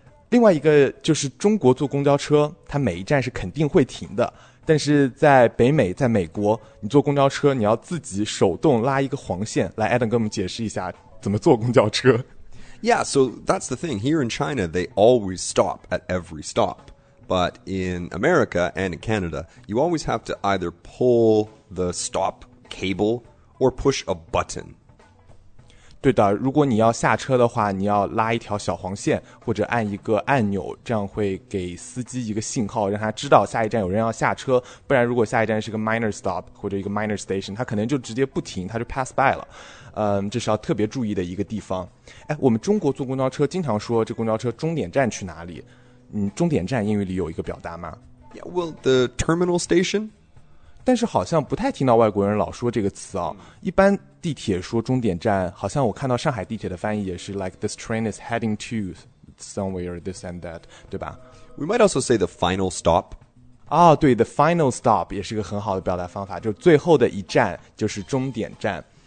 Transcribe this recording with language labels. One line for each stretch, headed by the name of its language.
Chinese: 另外一个就是中国坐公交车它每一站是肯定会停的，但是在北美在美国你坐公交车你要自己手动拉一个黄线来 Adam 跟我们解释一下怎么坐公交车
English: Yeah, so that's the thing. Here in China they always stop at every stop. But in America and in Canada you always have to either pull the stop cable or push a button.
Chinese: 对的，如果你要下车的话，你要拉一条小黄线，或者按一个按钮，这样会给司机一个信号，让他知道下一站有人要下车。不然，如果下一站是个
English: minor stop
Chinese: 或者一个
English: minor station，
Chinese: 他可能就直接不停，他就
English: pass by
Chinese: 了。嗯，这是要特别注意的一个地方。哎，我们中国坐公交车经常说这公交车终点站去哪里？嗯，终点站英语里有一个表达吗
English: ？Yeah, well, the terminal station.
Chinese: 但是好像不太听到外国人老说这个词啊、哦。一般地铁说终点站，好像我看到上海地铁的翻译也是
English: like this train is heading to somewhere this and that，
Chinese: 对吧
English: ？We might also say the final stop。
Chinese: 啊，对 ，
English: the final stop
Chinese: 也是一个很好的表达方法，就最后的一站就是终点站。